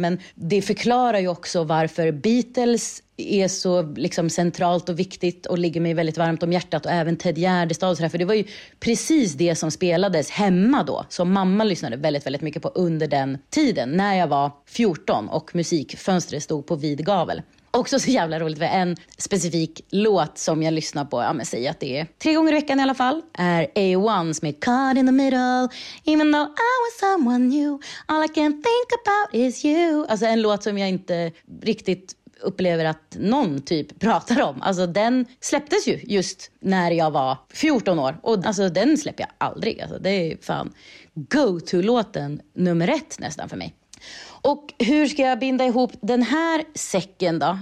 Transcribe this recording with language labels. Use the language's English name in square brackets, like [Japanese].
[Swedish] Men det förklarar ju också varför Beatles är så liksom centralt och viktigt och ligger mig väldigt varmt om hjärtat, och även Ted Gärdestad och sådär. För det var ju precis det som spelades hemma då, som mamma lyssnade väldigt, väldigt mycket på under den tiden när jag var 14 och musikfönstret stod på vid gavel. Också så jävla roligt med en specifik låt som jag lyssnar på. Ja, men säg att det är 3 gånger i veckan i alla fall. Är A1's med Caught in the Middle. [English] Even though I was someone new, all I can think about is you. [Swedish] Alltså en låt som jag inte riktigt upplever att någon typ pratar om. Alltså den släpptes ju just när jag var 14 år. Och alltså den släpper jag aldrig. Alltså det är fan go-to-låten nummer 1 nästan för mig. Och hur ska jag binda ihop den här säcken då?